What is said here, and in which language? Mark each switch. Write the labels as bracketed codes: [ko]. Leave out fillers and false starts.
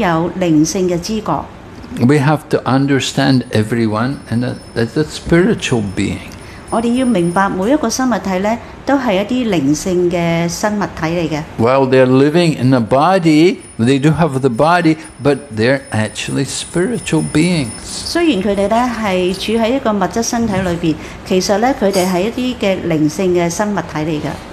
[zh] 因此我們必須小心謹慎，就是要去保持到有靈性的知覺。 [en] We have to understand everyone as a spiritual being. [zh] 我們要明白每一個生物體都是一些靈性的生物體來的。 [en] Well, they're living in a body, they do have the body, but they're actually spiritual beings. [zh] 雖然他們是處在一個物質身體裡面，其實他們是一些靈性的生物體來的。